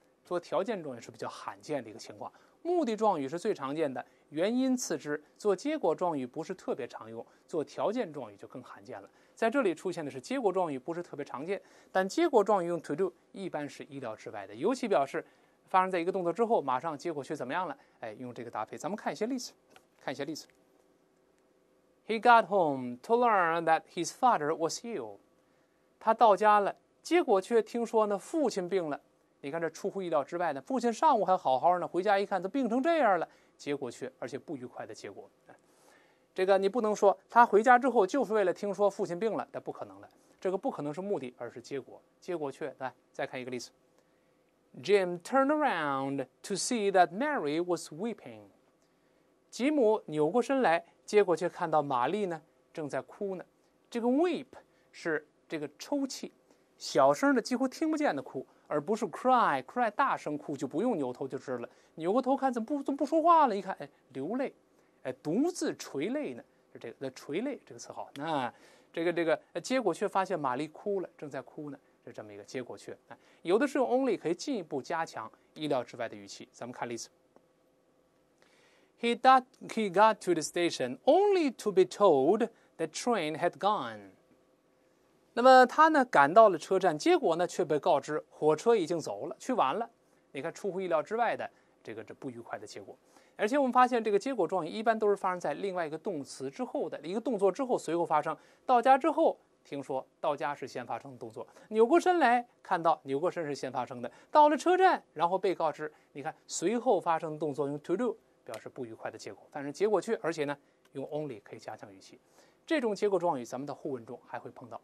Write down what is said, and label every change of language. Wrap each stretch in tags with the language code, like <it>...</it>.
<zh>做条件状语是比较罕见的一个情况，目的状语是最常见的，原因次之，做结果状语不是特别常用，做条件状语就更罕见了。在这里出现的是结果状语不是特别常见，但结果状语用 to do 一般是意料之外的，尤其表示发生在一个动作之后马上结果却怎么样了，哎，用这个搭配。咱们看一些例子，看一些例子。</zh> <en>He got home to learn that his father was ill.</en> <zh>他到家了，结果却听说呢父亲病了。你看这出乎意料之外呢，父亲上午还好好呢，回家一看都病成这样了，结果却而且不愉快的结果。这个你不能说他回家之后就是为了听说父亲病了，这不可能的，这个不可能是目的而是结果，结果却。来，再看一个例子。</zh> <en>Jim turned around to see that Mary was weeping.</en> <zh>吉姆扭过身来，结果却看到玛丽呢正在哭呢。这个 weep 是这个抽泣，小声的几乎听不见的哭，而不是 cry。 cry 大声哭就不用扭头就知道了，扭过头看怎么不说话了，一看，哎，流泪，哎，独自垂泪呢，是这个垂泪这个词好。那这个结果却发现玛丽哭了，正在哭呢，是这么一个结果却。有的是用 only 可以进一步加强意料之外的语气。咱们看例子。</zh> <en>He got to the station only to be told the train had gone.</en> <zh>那么他呢赶到了车站，结果呢却被告知火车已经走了，去晚了。你看出乎意料之外的这不愉快的结果。而且我们发现这个结果状语一般都是发生在另外一个动词之后的一个动作之后随后发生，到家之后听说，到家是先发生的动作，扭过身来看到，扭过身是先发生的，到了车站然后被告知，你看随后发生的动作用 to do 表示不愉快的结果，但是结果却，而且呢用 only 可以加强语气。这种结果状语咱们的互文中还会碰到。</zh>